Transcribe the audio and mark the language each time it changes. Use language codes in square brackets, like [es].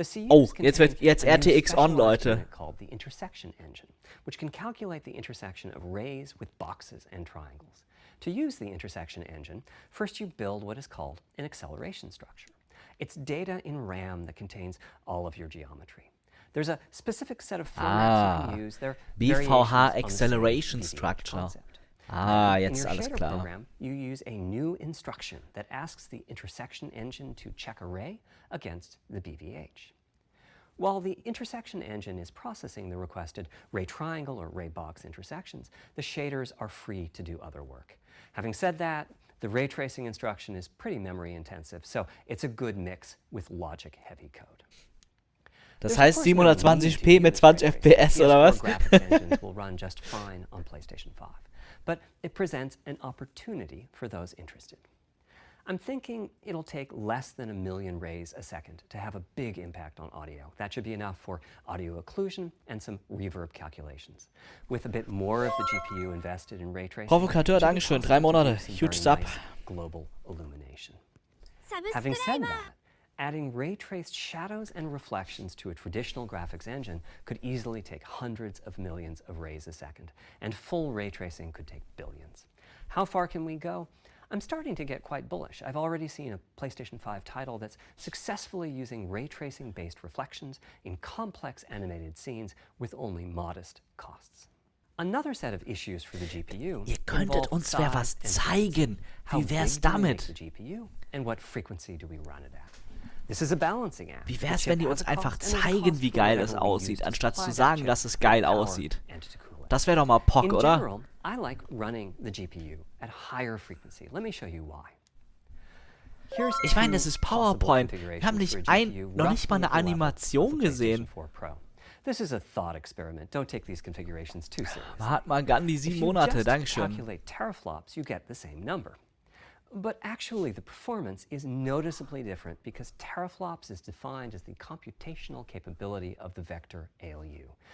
[de] Oh, jetzt wird jetzt RTX on, Leute. [en] Called the intersection engine, which can calculate the intersection of rays with boxes and triangles. To use the intersection engine, first you build what is called an acceleration structure. It's data in RAM that contains all of your geometry. There's a specific set of formats you can use. There [de] BVH acceleration structure. Jetzt alles klar. [en] Program, you use a new instruction that asks the intersection engine to check a ray against the BVH. While the intersection engine is processing the requested ray triangle or ray box intersections, the shaders are free to do other work. Having said that, the ray tracing instruction is pretty memory intensive, so it's a good mix with logic heavy code. [de] Das heißt 720p mit 20 FPS oder was? [en] Will run just fine on PlayStation 5. But it presents an opportunity for those interested. I'm thinking it'll take less than a million rays a second to have a big impact on audio. That should be enough for audio occlusion and some reverb calculations. With a bit more of the GPU invested in ray tracing, [de] Provokateur, danke schön. 3 Monate, huge sub. [en] Global illumination. Having said that, Adding ray-traced shadows and reflections to a traditional graphics engine could easily take hundreds of millions of rays a second, and full ray tracing could take billions. How far can we go? I'm starting to get quite bullish. I've already seen a PlayStation 5 title that's successfully using ray tracing-based reflections in complex animated scenes with only modest costs. Another set of issues for the GPU. [de] Ihr könntet uns wer was zeigen. Wie wär's damit? [en] And what frequency do we run it at? This is a balancing act. [de] Wie wär's, wenn die uns einfach zeigen, wie geil es aussieht, anstatt zu sagen, dass es geil aussieht? Das wäre doch mal Pock, oder? [en] In general, I like running the GPU at higher frequency. Let me show you why. [de] Ich meine, das ist PowerPoint. Wir haben nicht noch nicht mal eine Animation gesehen. [en] This is a thought experiment. Don't take these configurations too seriously. [de] Mahatma Gandhi, 7 Monate, dankeschön. [en] If you just calculate teraflops, you get the same number. But actually, the performance is noticeably different because teraflops is defined as the computational capability of the vector ALU.